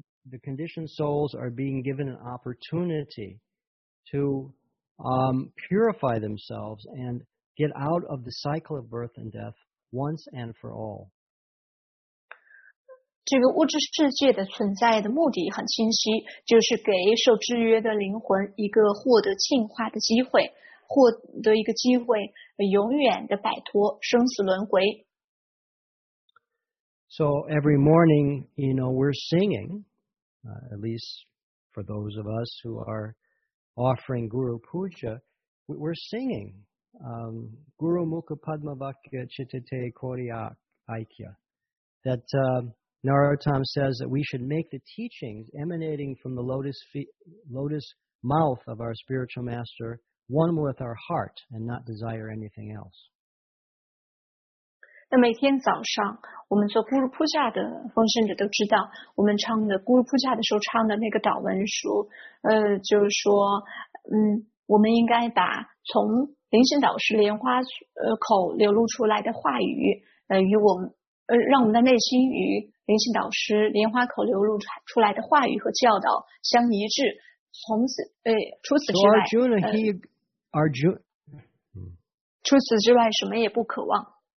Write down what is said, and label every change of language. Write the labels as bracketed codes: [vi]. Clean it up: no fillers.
[en] The conditioned souls are being given an opportunity to, purify themselves and get out of the cycle of birth and death once and for all. [zh] 这个物质世界的存在的目的很清晰，就是给受制约的灵魂一个获得净化的机会，获得一个机会永远的摆脱生死轮回。 [en] So every morning, you know, we're singing, at least for those of us who are offering Guru Puja, we're singing, [bn] Guru Mukha Padma Vakya Chitate Kori Aikya. [en] That, Narottam says that we should make the teachings emanating from the lotus mouth of our spiritual master one with our heart and not desire anything else. [zh] 那每天早上我们做 Guru Puja 的奉献者都知道，我们唱的 Guru Puja 的时候唱的那个祷文书，就是说，我们应该把从灵性导师莲花口流露出来的话语，与我们让我们的内心与灵性导师莲花口流露出来的话语和教导相一致，从此除此之外、除此之外什么也不渴望。